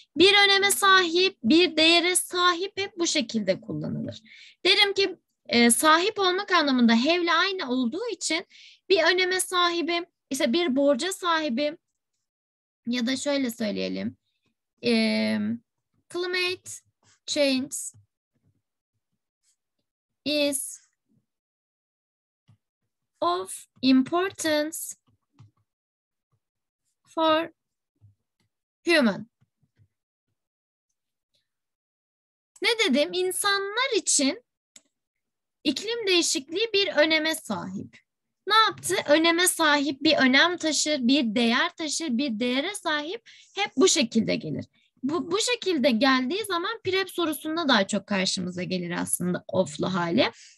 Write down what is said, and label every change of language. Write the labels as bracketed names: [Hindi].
[Turkish] Bir öneme sahip, bir değere sahip hep bu şekilde kullanılır. Derim ki sahip olmak anlamında have ile aynı olduğu için bir öneme sahibim, işte bir borca sahibim ya da şöyle söyleyelim. [English] Climate change is of importance for human. [Turkish] Ne dedim? İnsanlar için iklim değişikliği bir öneme sahip. Ne yaptı? Öneme sahip bir önem taşır, bir değer taşır, bir değere sahip hep bu şekilde gelir. Bu şekilde geldiği zaman prep sorusunda daha çok karşımıza gelir aslında of'lu hali.